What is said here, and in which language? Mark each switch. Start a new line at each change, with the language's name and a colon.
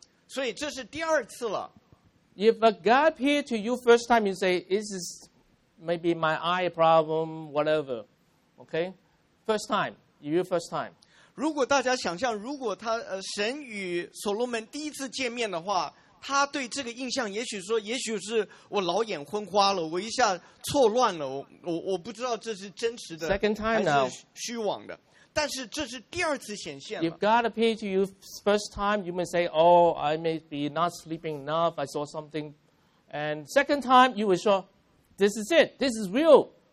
Chinese: 所以这是第二次了。If
English: a God appeared to you first time, you say, this is maybe my eye problem, whatever. Okay? First time. You first time.
Chinese: 如果大家想象，如果神与所罗门第一次见面的话，他对这个印象也许说，也许是我老眼昏花了，我一下错乱了，我不知道这是真实的还是虚妄的。Second
English: time now.
Chinese: 但是这是第二次显现了。
English: If God appeared to you first time, you may say, oh, I may be not sleeping enough, I saw something. And second time, you will say, this is it, this is real.